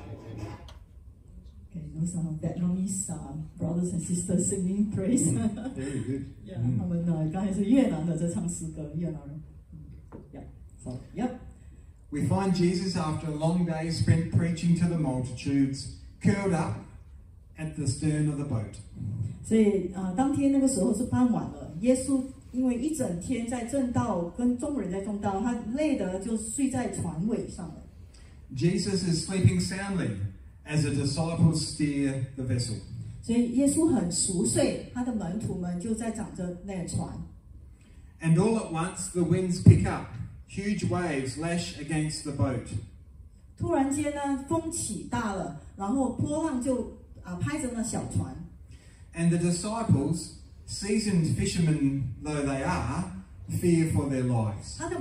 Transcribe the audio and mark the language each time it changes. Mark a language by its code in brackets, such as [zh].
[en] Okay, you know some of Vietnamese brothers and sisters singing praise. Very good. Yeah, they are Vietnamese. Yeah, so, yep. We find Jesus after a long day spent preaching to the multitudes, curled up at the stern of the boat. [zh] 所以当天那个时候是傍晚了，耶稣因为一整天在正道，跟众人在正道，他累得就睡在船尾上了。Jesus [en] is sleeping soundly as the disciples steer the vessel. [zh] 所以耶稣很熟睡，他的门徒们就在掌着那船。And [en] all at once the winds pick up. Huge waves lash against the boat. [zh] 突然间呢，风起大了，然后波浪就拍着那小船。And [en] the disciples, seasoned fishermen though they are, fear for their lives.